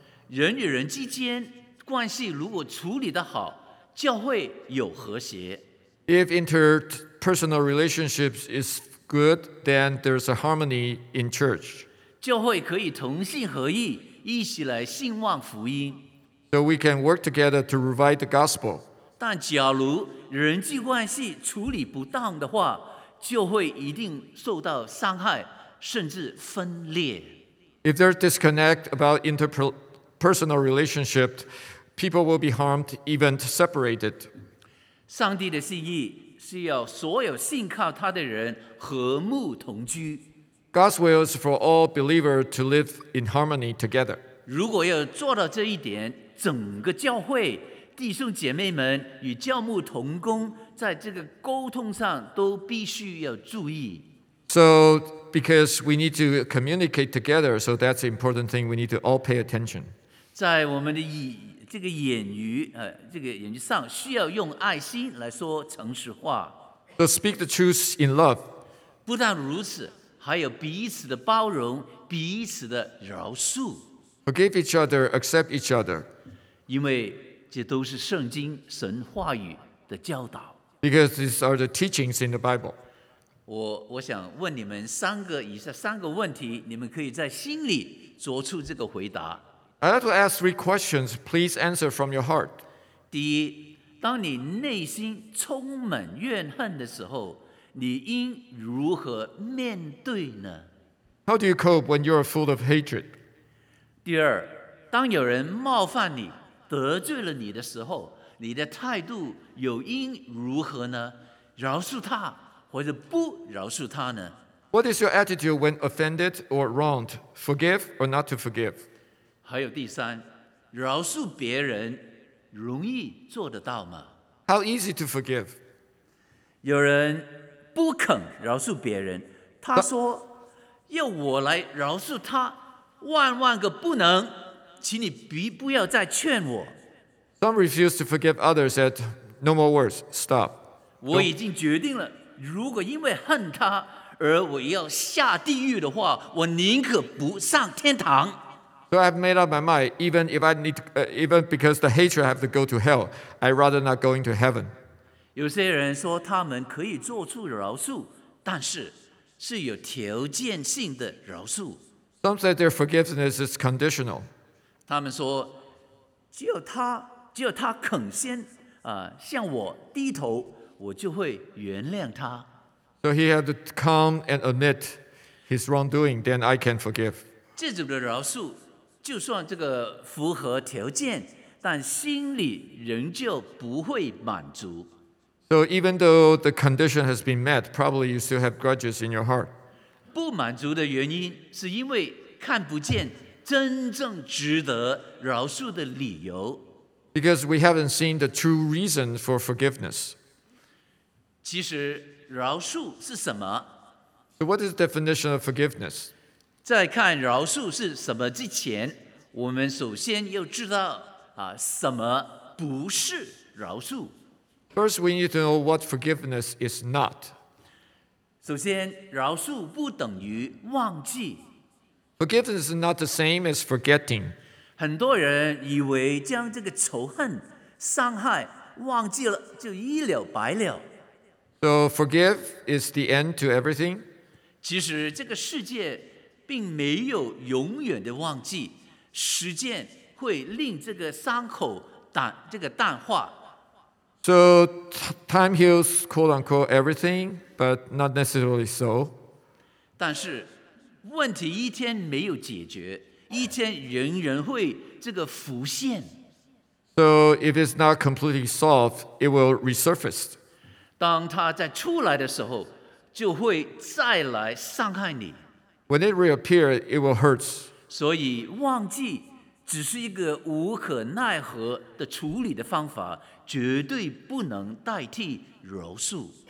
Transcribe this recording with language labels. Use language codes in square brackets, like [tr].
[zh] 人与人之间关系如果处理得好，教会有和谐。 [en] If interpersonal relationships is good, then there's a harmony in church. [zh] 教会可以同心合意，一起来兴旺福音。 [en] So we can work together to revive the gospel. [zh] 但假如人际关系处理不当的话，就会一定受到伤害，甚至分裂。 [en] If there's disconnect about interpersonal relationship, people will be harmed, even separated. [zh] 上帝的心意是要所有信靠他的人和睦同居。 [en] God's will is for all believers to live in harmony together. [zh] 如果要做到这一点，整个教会弟兄姐妹们与教牧同工在这个沟通上都必须要注意。 [en] So because we need to communicate together, so that's an important thing we need to all pay attention. [zh] 在我们的这个言语这个言语上需要用爱心来说诚实话。 [en] So speak the truth in love. [zh] 不但如此，还有彼此的包容，彼此的饶恕。 [en] Forgive each other, accept each other. [zh] 因为这都是圣经神话语的教导。 [en] Because these are the teachings in the Bible. [zh] 我想问你们三个以上三个问题，你们可以在心里做出这个回答。 [en] I'd like to ask three questions. Please answer from your heart. [zh] 第一，当你内心充满怨恨的时候，你应如何面对呢？ [en] How do you cope when you are full of hatred? [zh] 第二，当有人冒犯你得罪了你的时候，你的态度又应如何呢？饶恕他或者不饶恕他呢？ [en] What is your attitude when offended or wronged? Forgive or not to forgive? [zh] 还有第三，饶恕别人容易做得到吗？ [en] How easy to forgive? [zh] 有人不肯饶恕别人，他说要我来饶恕他，万万个不能，请你不要再劝我。 [en] Some refuse to forgive others, said, no more words, stop. [zh] 我已经决定了，如果因为恨他而我要下地狱的话，我宁可不上天堂。 [en] So I've made up my mind, even if I need to, even because the hatred I have to go to hell, I'd rather not going to heaven. [zh] 有些人说他们可以做出饶恕，但是是有条件性的饶恕。 [en] Some said their forgiveness is conditional. [zh] 他们说只有他肯先向我低头，我就会原谅他。 [en] So he had to come and admit his wrongdoing, then I can forgive. [zh] 这种的饶恕就算这个符合条件，但心里仍旧不会满足。 [en] So even though the condition has been met, probably you still have grudges in your heart. [zh] 不满足的原因是因为看不见真正值得饶恕的理由。 [en] Because we haven't seen the true reason for forgiveness. [zh] 其实饶恕是什么？ [en] So what is the definition of forgiveness? [zh] 在看饶恕是什么之前，我们首先要知道什么不是饶恕。 [en] First we need to know what forgiveness is not. [zh] 首先，饶恕不等于忘记。 [en] Forgiveness is not the same as forgetting. [zh] 很多人以为将这个仇恨、伤害忘记了就一了百了。 [en] So forgive is the end to everything. [zh] 其实这个世界并没有永远的忘记，时间会令这个伤口淡化。 [en] So time heals quote unquote everything, but not necessarily so. [zh] 但是问题一天没有解决，一天仍然会这个浮现。 [en] So if it's not completely solved, it will resurface. [zh] 当它再出来的时候，就会再来伤害你。 [en] When it reappears, it will hurt. [zh] 所以忘记只是一个无可奈何的处理的方法，绝对不能代替饶恕。